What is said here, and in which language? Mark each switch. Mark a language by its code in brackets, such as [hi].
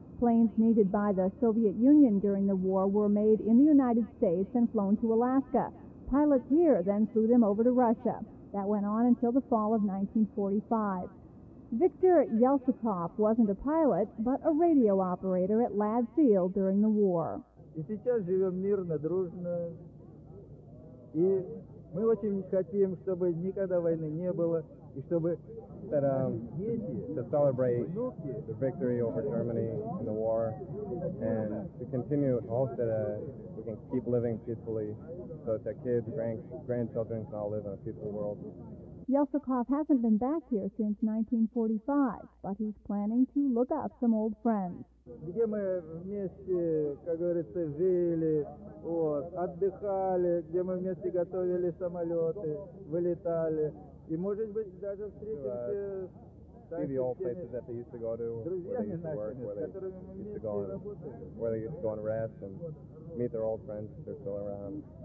[en] Planes needed by the Soviet Union during the war were made in the United States and flown to Alaska. Pilots here then flew them over to Russia. That went on until the fall of 1945. Viktor Yeltsikov wasn't a pilot, but a radio operator at Ladd Field during the war. [ru] И сейчас живем мирно, дружно, и мы очень хотим, чтобы никогда войны не было, и чтобы [en] to celebrate the victory over Germany in the war, and to continue hope that we can keep living peacefully, so that kids, grandchildren can all live in a peaceful world. Yeltsikov hasn't been back here since 1945, but he's planning to look up some old friends. [ru] Где мы вместе, как говорится, жили, отдыхали, где мы вместе готовили самолеты, вылетали, и может быть даже встретимся. [en] See the old places that they used to go to, where they used to go and rest and meet their old friends if they're still around.